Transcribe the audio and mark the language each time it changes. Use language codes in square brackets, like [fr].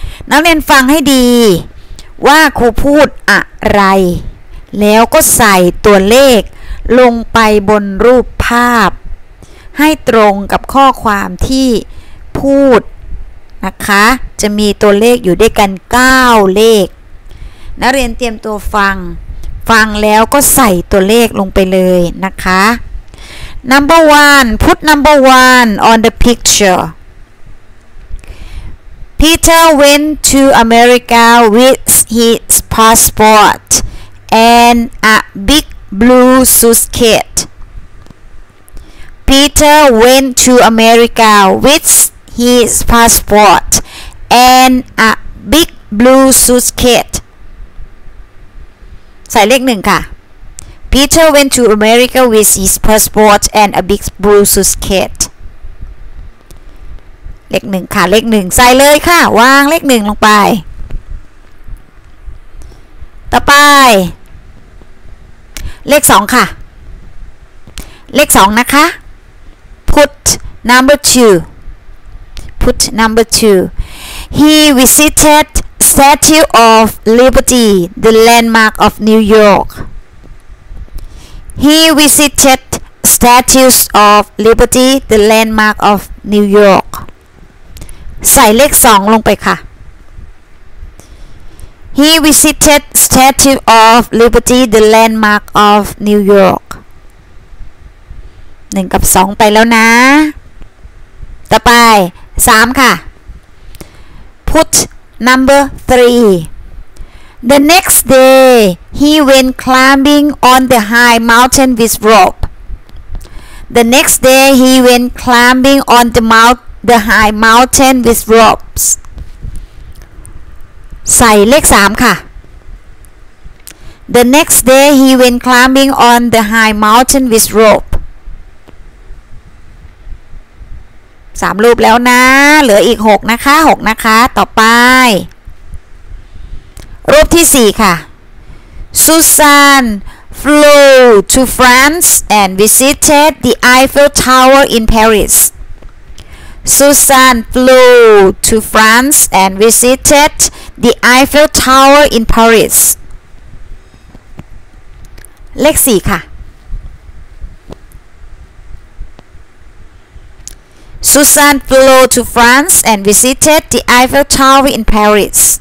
[th] นักเรียนฟังให้ดีว่าครูพูดอะไรแล้วก็ใส่ตัวเลขลงไปบนรูปภาพให้ตรงกับข้อความที่พูดนะคะจะมีตัวเลขอยู่ด้วยกัน9เลขนักเรียนเตรียมตัวฟังฟังแล้วก็ใส่ตัวเลขลงไปเลยนะคะ [en] Number one, put number one on the picture. Peter went to America with his passport and a big blue suitcase. Peter went to America with his passport and a big blue suitcase. [th] ใส่เลขหนึ่งค่ะ [en] Peter went to America with his passport and a big blue suitcase. [th] เลขหนึ่งค่ะเลขหนึ่งใส่เลยค่ะวางเลขหนึ่งลงไปต่อไปเลขสองค่ะเลขสองนะคะ [en] Put number two. Put number two. He visited Statue of Liberty, the landmark of New York. He visited Statues of Liberty, the landmark of New York. [th] ใส่เลข2ลงไปค่ะ [en] He visited Statue of Liberty, the landmark of New York. [th] 1กับ2ไปแล้วนะต่อไป3ค่ะ [en] Put number 3. The next dayHe went climbing on the high mountain with rope. The next day, he went climbing on the high mountain with ropes. [th] ใส่เลข3ค่ะ [en] The next day, he went climbing on the high mountain with rope. [th] 3รูปแล้วนะเหลืออีก6นะคะ6นะคะต่อไปรูปที่4ค่ะ [en] Susan flew to France and visited the Eiffel Tower in Paris. Susan flew to France and visited the Eiffel Tower in Paris. [th] เลข4ค่ะ [en] Susan flew to France and visited the Eiffel Tower in Paris.